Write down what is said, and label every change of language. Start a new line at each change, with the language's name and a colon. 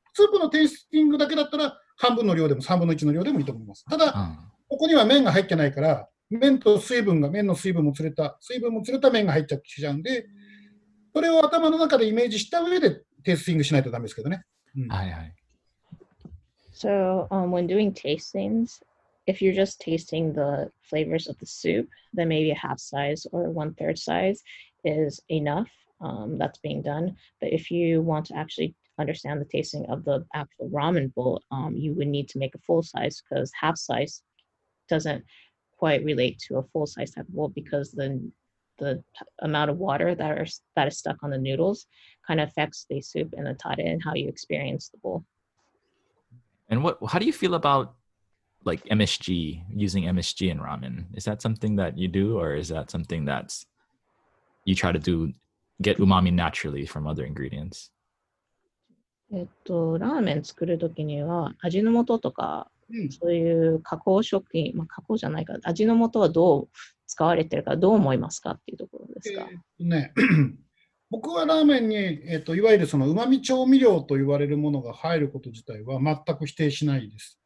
Japanese: スープのテイスティングだけだったら半分の量でも3分の1の量でもいいと思います。ただ、うん、ここには麺が入ってないから、麺と水分が、麺の水分も水分も連れた麺が入っちゃっちゃうんで、それを頭の中でイメージした上でテイスティングしないとダメですけどね。はいはい。
English: So, when doing tastings, if you're just tasting the flavors of the soup, then maybe a half size or one third size is enough. That's being done. But if you want to actually understand the tasting of the actual ramen bowl, you would need to make a full size, because half size doesn't quite relate to a full size type of bowl, because then the amount of water that is stuck on the noodles kind of affects the soup and the tare and how you experience the bowl. And what, how do you feel about like MSG, using MSG in ramen? Is that something that you do, or is that something that you try to do, get umami naturally from other ingredients?
Japanese: ラーメン作るときには味の素とか、そういう加工食品、まあ、加工じゃないか、味の素はどう使われてるか、どう思いますかっていうところですか。ね、僕はラーメンに、いわゆるそのうまみ調味料と言われるものが入ること自体は全く否定しないです。